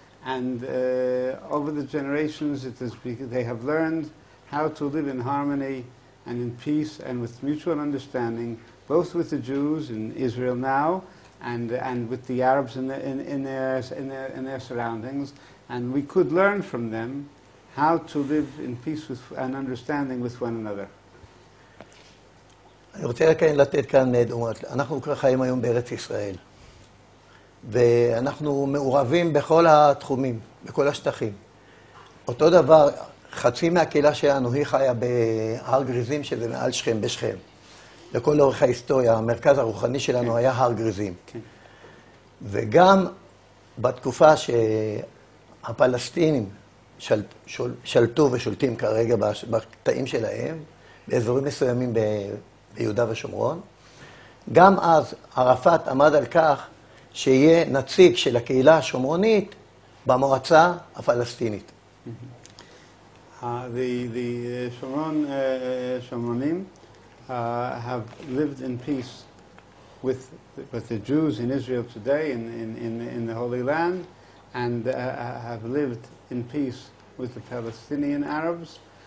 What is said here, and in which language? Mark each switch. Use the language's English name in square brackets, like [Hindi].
[English] and over the generations, it is because they have learned how to live in harmony and in peace and with mutual understanding, both with the Jews in Israel now, and with the Arabs in their surroundings, and we could learn from them how to live in peace with and understanding with one another. [Hebrew] אני רוצה רק לתת כאן דוגמאות. אנחנו כבר חיים היום בארץ ישראל, ואנחנו מעורבים בכל התחומים, בכל השטחים. אותו דבר, חצי מהקהילה שלנו היא חיה בהר גריזים, שזה מעל שכם, בשכם. לכל אורך ההיסטוריה, המרכז הרוחני שלנו היה הר גריזים. וגם בתקופה שהפלסטינים שלטו ושולטים כרגע בתאים שלהם, באזורים מסוימים ב... יהודה ושומרון. גם אז ערפאת עמד על כך שיהיה נציג של הקהילה השומרונית במועצה הפלסטינית. [English] The Shomron Shomronim have lived in peace with the Jews in Israel today in the Holy Land and have lived in peace with the Palestinian Arabs